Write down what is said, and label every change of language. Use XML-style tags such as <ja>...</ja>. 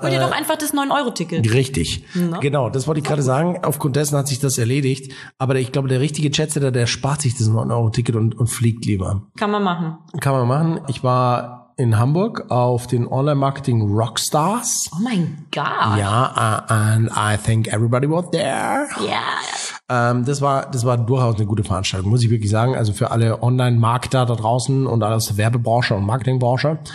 <de>hol dir doch einfach das 9-Euro-Ticket. Richtig. No? Genau, das wollte ich gerade sagen. Aufgrund dessen hat sich das erledigt. Aber ich glaube, der richtige Jet-Setter, der spart sich das 9-Euro-Ticket und fliegt lieber. Kann man machen. Kann man machen. Ich war in Hamburg auf den Online-Marketing Rockstars. Oh mein Gott. Ja,</de> <en>and I think everybody was there. Yeah.</en> <de>Das war durchaus eine gute Veranstaltung, muss ich wirklich sagen. Also für alle Online-Marketer da draußen und alle aus der Werbebranche und Marketingbranche.</de>